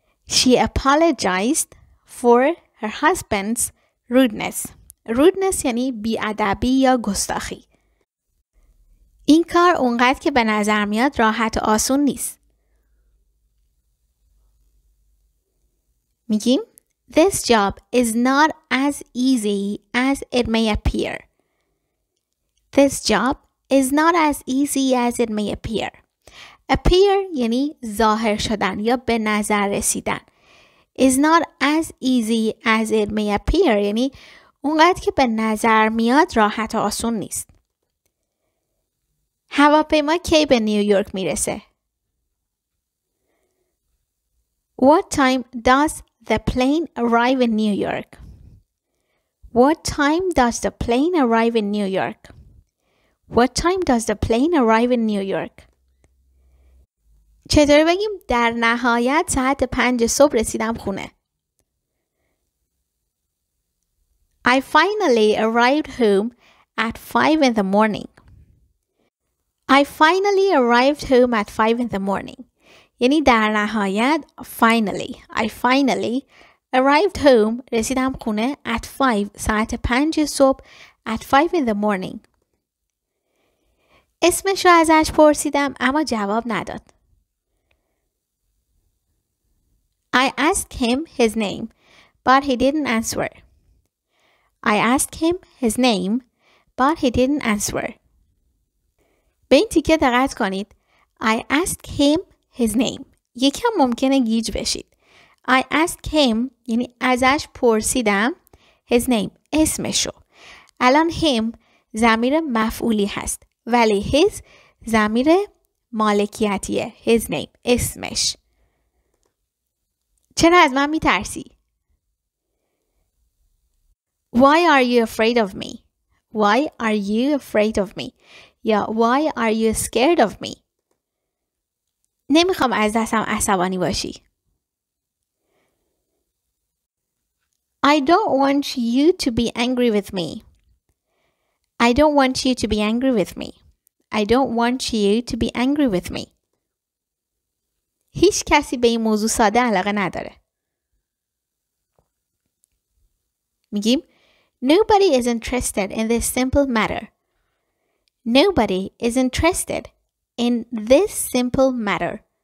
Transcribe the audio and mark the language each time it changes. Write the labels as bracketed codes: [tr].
[en] She apologized for her husband's rudeness. [fa] Rudeness یعنی بی‌ادبی یا گستاخی. این کار اونقدر که به نظر میاد راحت و آسون نیست. میگیم [en] This job is not as easy as it may appear. This job is not as easy as it may appear. [fa] Appear یعنی ظاهر شدن یا به نظر رسیدن. [en] Is not as easy as it may appear [fa] یعنی اونقدر که به نظر میاد راحت و آسون نیست. هواپیما کی به نیویورک میرسه؟ [en] What time does the plane arrive in New York? What time does the plane arrive in New York? What time does the plane arrive in New York? [fa] چطوری بگیم در نهایت ساعت 5 صبح رسیدم خونه؟ [en] I finally arrived home at 5 in the morning. I finally arrived home at 5 in the morning. [fa] یعنی در نهایت [en] finally I finally arrived home [fa] رسیدم خونه at 5 ساعت 5 صبح [en] at 5 in the morning. [fa] اسمش رو ازش پرسیدم اما جواب نداد. [en] I asked him his name but he didn't answer. I asked him his name but he didn't answer. [fa] به این تیکه دقت کنید. [en] I asked him his name. [fa] یکم ممکنه گیج بشید. [en] I asked him [fa] یعنی ازش پرسیدم [en] his name [fa] اسمشو. الان him ضمیر مفعولی هست ولی his ضمیر مالکیتیه. [en] His name [fa] اسمش. چرا از من میترسی؟ [en] Why are you afraid of me? Why are you afraid of me? [fa] یا [en] why are you scared of me? [fa] نمیخوام از دستم عصبانی باشی. [en] I don't want you to be angry with me. I don't want you to be angry with me. I don't want you to be angry with me. [fa] هیچ کسی به این موضوع ساده علاقه نداره. میگیم [en] Nobody is interested in this simple matter. Nobody is interested in this simple matter.